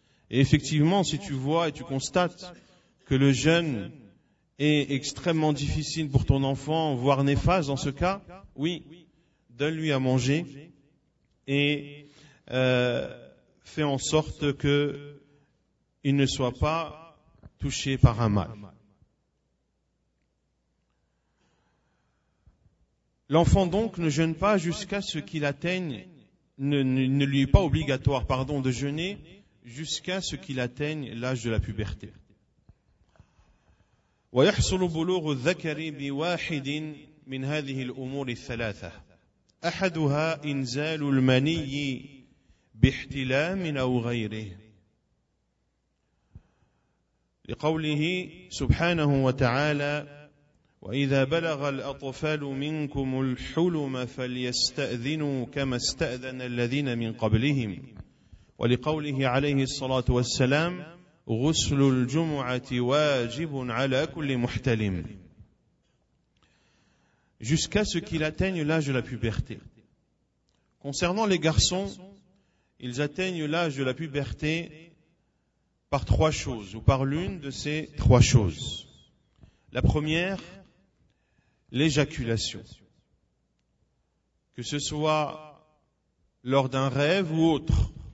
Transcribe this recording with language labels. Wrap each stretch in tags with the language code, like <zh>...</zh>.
<fr>Et effectivement, si tu vois et tu constates que le jeûne est extrêmement difficile pour ton enfant, voire néfaste dans ce cas, oui, donne-lui à manger et fais en sorte qu'il ne soit pas touché par un mal. L'enfant donc ne jeûne pas jusqu'à ce qu'il atteigne, ne lui est pas obligatoire, pardon, de jeûner jusqu'à ce qu'il atteigne l'âge de la puberté.</fr> <ar>ويحصل بلوغ الذكر بواحد من هذه الأمور الثلاثة. أحدها إنزال المني باحتلام أو غيره. لقوله سبحانه وتعالى وإذا بلغ الأطفال منكم الحلم فليستأذنوا كما استأذن الذين من قبلهم ولقوله عليه الصلاة والسلام غسل الجمعة واجب على كل محتلم.</ar> <fr>Jusqu'à ce qu'il atteigne l'âge de la puberté. Concernant les garçons, ils atteignent l'âge de la puberté par trois choses, ou par l'une de ces trois choses. La première, l'éjaculation, que ce soit lors d'un rêve ou autre.</fr>